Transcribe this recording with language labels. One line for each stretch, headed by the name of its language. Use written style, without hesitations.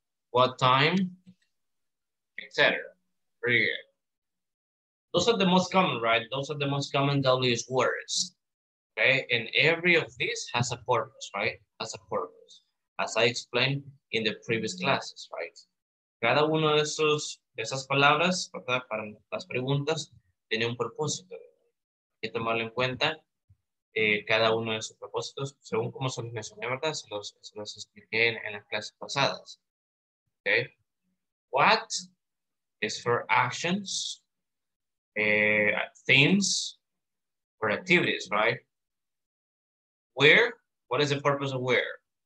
English: What time? Etc. Very good. Those are the most common, right? Those are the most common W's words. Okay, and every of these has a purpose, right? Has a purpose. As I explained in the previous classes, right?
Spanish: Cada uno de esos, de esas palabras, ¿verdad? Para las preguntas, tiene un propósito. Hay que tomarlo en cuenta, cada uno de esos propósitos, según cómo se los mencioné, ¿verdad? Se los expliqué en las clases pasadas. Okay.
English: What is for actions, things, or activities, right? Where, what is the purpose of where?